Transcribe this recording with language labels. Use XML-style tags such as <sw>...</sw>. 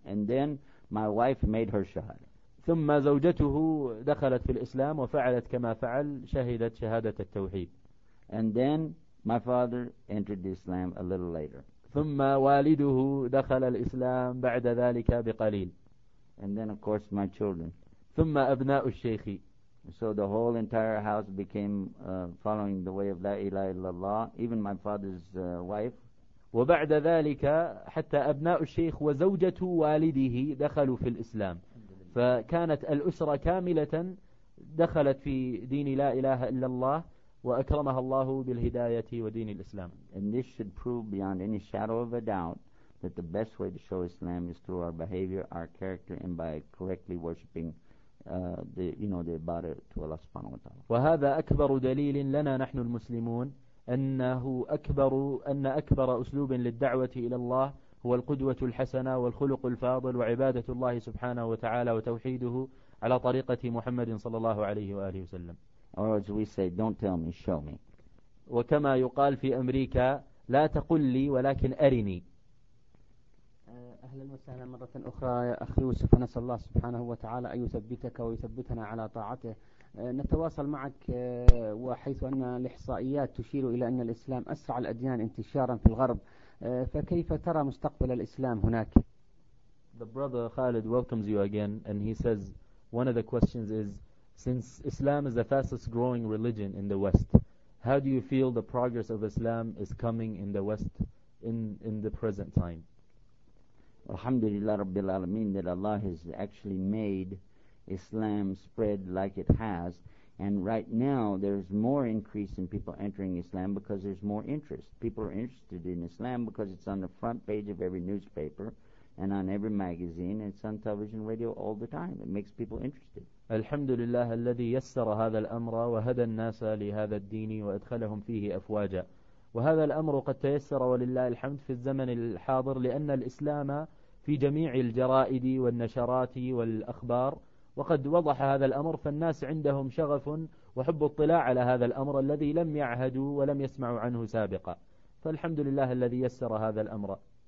<en>And then my wife made her shahada.</en> <ar>ثم زوجته دخلت في الإسلام وفعلت كما فعل شهدت شهادة التوحيد.</ar> <en>And then my father entered the Islam a little later.</en> <ar>ثم والده دخل الإسلام بعد ذلك بقليل.</ar> <en>And then of course my children.</en> <ar>ثم أبناء الشيخ.</ar> <en>So the whole entire house became following the way of</en> <ar>لا إله إلا الله,</ar> <en>even my father's wife.</en> <ar>وبعد ذلك حتى أبناء الشيخ وزوجة والده دخلوا في الإسلام. فكانت الأسرة كاملة دخلت في دين لا إله إلا الله وأكرمها الله بالهداية ودين الإسلام.</ar> <en>And this should prove beyond any shadow of a doubt that the best way to show Islam is through our behavior, our character, and by correctly worshiping the ibadah to Allah subhanahu wa ta'ala.</en> <ar>وهذا أكبر دليل لنا نحن المسلمون أنه أكبر أن أكبر أسلوب للدعوة إلى الله هو القدوة الحسنة والخلق الفاضل وعبادة الله سبحانه وتعالى وتوحيده على طريقة محمد صلى الله عليه وآله وسلم.</ar> <en>Or as we say, don't tell me, show me.</en> <ar>وكما يقال في أمريكا لا تقل لي ولكن أرني. أهلا وسهلا مرة أخرى يا أخي يوسف، نسأل الله سبحانه وتعالى أن يثبتك ويثبتنا على طاعته. نتواصل معك وحيث أن الإحصائيات تشير إلى أن الإسلام أسرع الأديان انتشارا في الغرب، فكيف ترى مستقبل الإسلام هناك؟</ar> <en>The brother Khalid welcomes you again and he says one of the questions is, since Islam is the fastest growing religion in the West, how do you feel the progress of Islam is coming in the West in the present time?</en> <ar>Alhamdulillah Rabbil Alameen</ar> <en>that Allah has actually made Islam spread like it has, and right now there's more increase in people entering Islam because there's more interest. People are interested in Islam because it's on the front page of every newspaper and on every magazine, and it's on television, radio all the time. It makes people interested.</en> <ar>Alhamdulillah الذي يسر هذا الأمر وهدى الناس لهذا الدين وأدخلهم فيه أفواجا. وهذا الأمر قد تيسر ولله الحمد في الزمن الحاضر لأن الإسلام في جميع الجرائد والنشرات والأخبار، وقد وضح هذا الأمر، فالناس عندهم شغف وحب اطلاع على هذا الأمر الذي لم يعهدوا ولم يسمعوا عنه سابقا، فالحمد لله الذي يسر هذا الأمر.</ar>